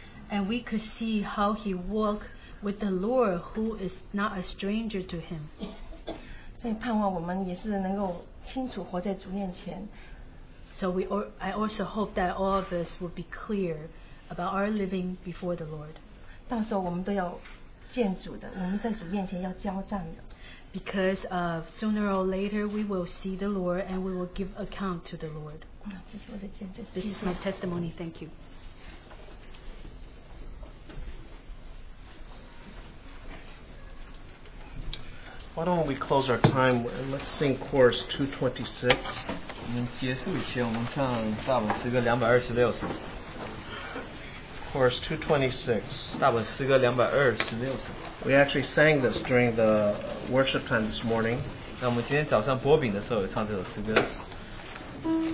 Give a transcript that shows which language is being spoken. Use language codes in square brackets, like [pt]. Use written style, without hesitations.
[en] And we could see how he walked with the Lord, who is not a stranger to him. [zh] 所以盼望我们也是能够清楚活在主面前。 [en] So I also hope that all of us will be clear about our living before the Lord. [zh] 到时候我们都要见主的，我们在主面前要交战的。 [en] Because sooner or later we will see the Lord and we will give account to the Lord. [zh] 这是我的见证。 [en] This is my testimony. Thank you. Why don't we close our time and let's sing chorus 226. [zh] 我们结束以前，我们唱大本诗歌226首。 [en] Chorus 226. [zh] 大本诗歌226首。 [en] We actually sang this during the worship time this morning. [zh] 那我们今天早上擘饼的时候也唱这首诗歌。